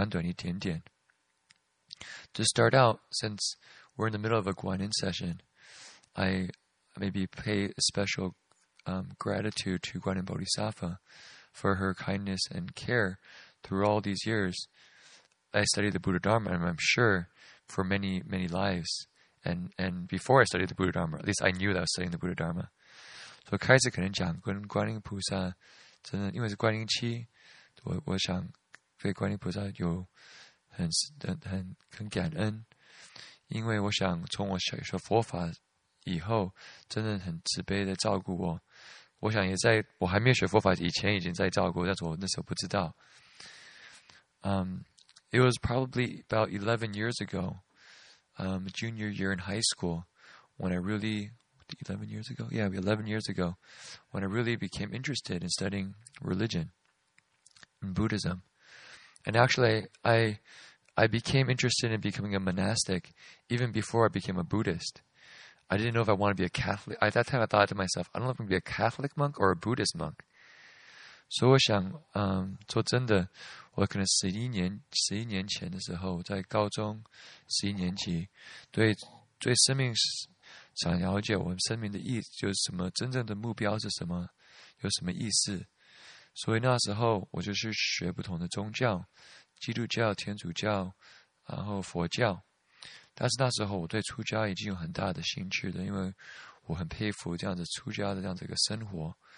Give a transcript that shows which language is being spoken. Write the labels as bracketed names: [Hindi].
[Chinese] 所以我想就是真的是太多东西可以分享了,所以我想就讲短短一点点。 [English] To start out, since we're in the middle of a Guanyin session, I maybe pay a special gratitude to Guanyin Bodhisattva for her kindness and care through all these years. I studied the Buddha Dharma, and I'm sure, for many, many lives. And before I studied the Buddha Dharma, at least I knew that I was studying the Buddha Dharma. [Chinese] So, 开始可能讲跟观音菩萨，真的因为是观音期，我想对观音菩萨有很感恩，因为我想从我学佛法以后，真的很慈悲的照顾我。我想也在我还没学佛法以前，已经在照顾，但是我那时候不知道。 [English] It was probably about 11 years ago, junior year in high school, when I really, 11 years ago? Yeah, 11 years ago, when I really became interested in studying religion and Buddhism. And actually, I became interested in becoming a monastic even before I became a Buddhist. I didn't know if I wanted to be a Catholic. At that time, I thought to myself, I don't know if I'm going to be a Catholic monk or a Buddhist monk. [Chinese] So, 我想,说真的, 我可能十一年前的时候，在高中十一年级，对生命想了解我们生命的意义，就是什么真正的目标是什么，有什么意思。所以那时候我就是学不同的宗教，基督教、天主教，然后佛教。但是那时候我对出家已经有很大的兴趣的，因为我很佩服这样子出家的这样子一个生活。